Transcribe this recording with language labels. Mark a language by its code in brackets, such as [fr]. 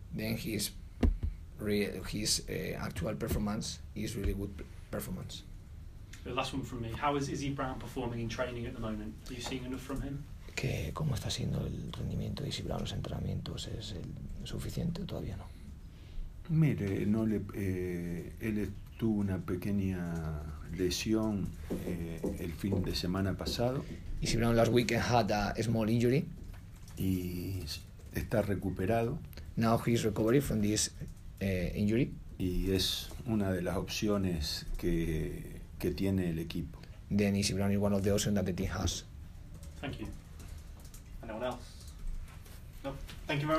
[en] Then his actual performance is really good performance. The last one from me. How is Izzy Brown performing in training at the moment? Are you seeing enough from him? [es] Que cómo está siendo el rendimiento de Izzy Brown en los entrenamientos, ¿es el suficiente o todavía no? Mire, no le él tuvo una pequeña lesión el fin de semana pasado. [en] Izzy Brown last week had a small injury. [es] Y está recuperado. [en] Now he's recovered from this injury. [es] Y es una de las opciones que tiene el equipo. [en] Then Izzy Brown is one of the options that the team has. Thank you. Anyone else? No. Thank you very much.